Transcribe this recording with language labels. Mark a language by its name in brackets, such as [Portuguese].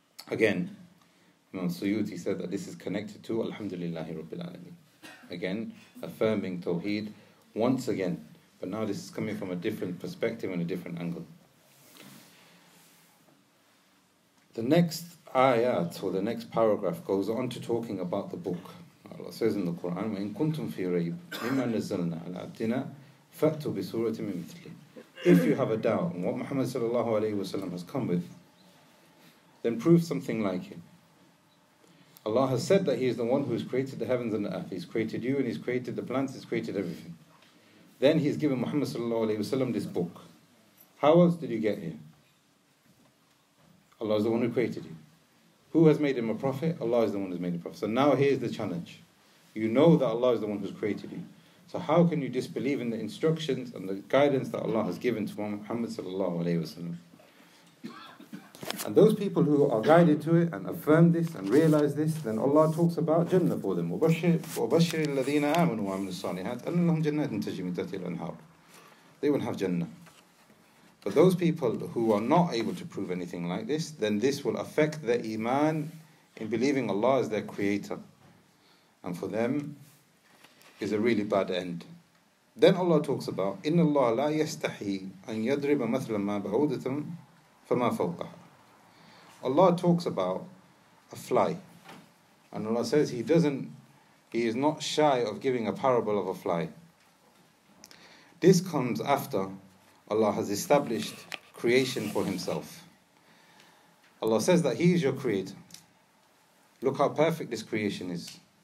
[English] Again, Imam Suyuti said that this is connected to Alhamdulillahi Rabbil Alameen. Again, affirming Tawheed once again. But now this is coming from a different perspective and a different angle. The next ayat, or the next paragraph, goes on to talking about the book. Allah says in the Quran, [Arabic] وَإِن كُنْتُمْ فِي رَيْبٍ مِمَّا نَزَّلْنَا عَلَىٰ عَبْدِنَا فَأْتُوا بِسُورَةٍ مِنْ مِثْلِهِ. [English] If you have a doubt on what Muhammad sallallahu alayhi wasallam has come with, then prove something like it. Allah has said that He is the one who has created the heavens and the earth. He's created you and He's created the plants, He's created everything. Then He's given Muhammad sallallahu alayhi wasallam this book. How else did you get here? Allah is the one who created you. Who has made him a prophet? Allah is the one who has made him a prophet. So now here's the challenge. You know that Allah is the one who has created you. So how can you disbelieve in the instructions and the guidance that Allah has given to Muhammad sallallahu alayhi wasallam? And those people who are guided to it and affirm this and realize this, then Allah talks about Jannah for them. [Arabic] وَبَشِّرِ الَّذِينَ آمَنُوا وَعَمِنُوا الصَّالِحَاتِ أَنَّ لَهُمْ جَنَّةٍ تَجْرِي مِنْ تَحْتِهَا الْأَنْهَارُ. [English] They will have Jannah. But those people who are not able to prove anything like this, then this will affect their iman in believing Allah as their creator. And for them, is a really bad end. Then Allah talks about, [Arabic] إِنَّ اللَّهَ لَا يَسْتَحِي أَن يَضْرِبَ مَثْلًا مَا بَعُودَةً فَمَا فَوْقَهَا. [English] Allah talks about a fly. And Allah says He is not shy of giving a parable of a fly. This comes after Allah has established creation for Himself. Allah says that He is your creator. Look how perfect this creation is.